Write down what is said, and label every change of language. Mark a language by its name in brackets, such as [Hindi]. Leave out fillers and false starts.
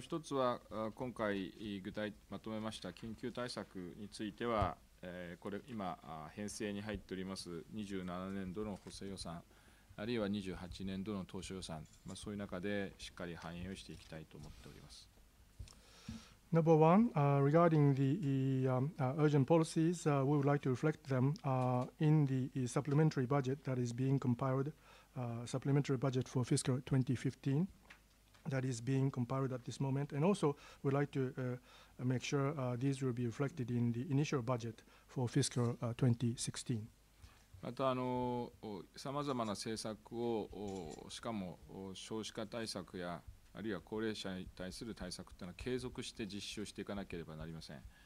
[Japanese] 一つは今回具体まとめました緊急対策については、これ今編成に入っております27年度の補正予算、あるいは28年度の当初予算、まあ、そういう中でしっかり反映をしていきたいと思っております。 [English] Number one, regarding the urgent policies, we would like to reflect them in the supplementary budget that is being compiled, supplementary budget for fiscal 2015that is being compiled at this moment. And also, we'd like to make sure these will be reflected in the initial budget for fiscal 2016. [Japanese] また、さまざまな政策を、しかも少子化対策や、あるいは高齢者に対する対策というのは継続して実施をしていかなければなりません。